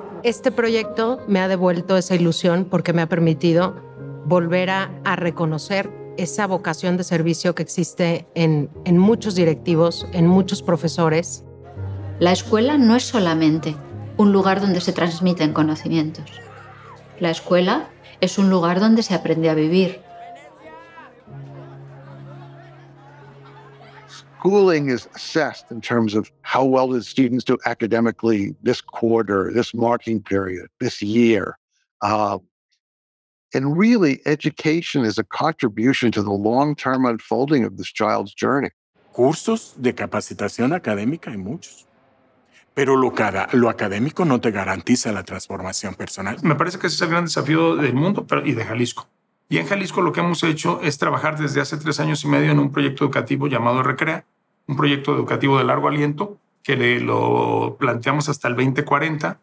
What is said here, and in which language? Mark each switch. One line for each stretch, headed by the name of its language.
Spanish: Este proyecto me ha devuelto esa ilusión porque me ha permitido volver a reconocer esa vocación de servicio que existe en muchos directivos, en muchos profesores. La escuela no es solamente un lugar donde se transmiten conocimientos. La escuela es un lugar donde se aprende a vivir.
English: Schooling is assessed in terms of how well did students do academically this quarter, this marking period, this year. And really, education is a contribution to the long-term unfolding of this child's journey.
Spanish: Cursos de capacitación académica hay muchos. Pero lo académico no te garantiza la transformación personal. Me parece que ese es el gran desafío del mundo y de Jalisco. Y en Jalisco lo que hemos hecho es trabajar desde hace 3 años y medio en un proyecto educativo llamado Recrea, un proyecto educativo de largo aliento que lo planteamos hasta el 2040.